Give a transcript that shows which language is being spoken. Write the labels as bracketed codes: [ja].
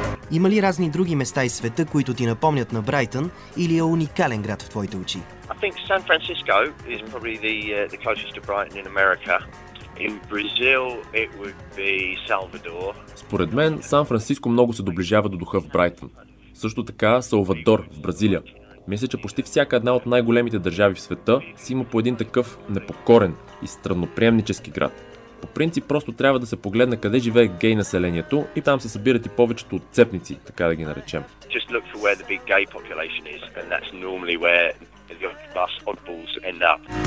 [bg] Има ли разни други места из света, които ти напомнят на Брайтън или е уникален град в твоите очи? [en] I think San Francisco is probably the closest to Brighton in America. In Brazil it would be Salvador. [bg] Според мен Сан Франциско много се доближава до духа в Брайтън. Също така Салвадор в Бразилия. Мисля, че почти всяка една от най-големите държави в света си има по един такъв непокорен и странноприемнически град. По принцип просто трябва да се погледне къде живее гей населението и там се събират и повечето отцепници, така да ги наречем. [en] Just look for where the big gay population is and that's normally where the bus oddballs end up.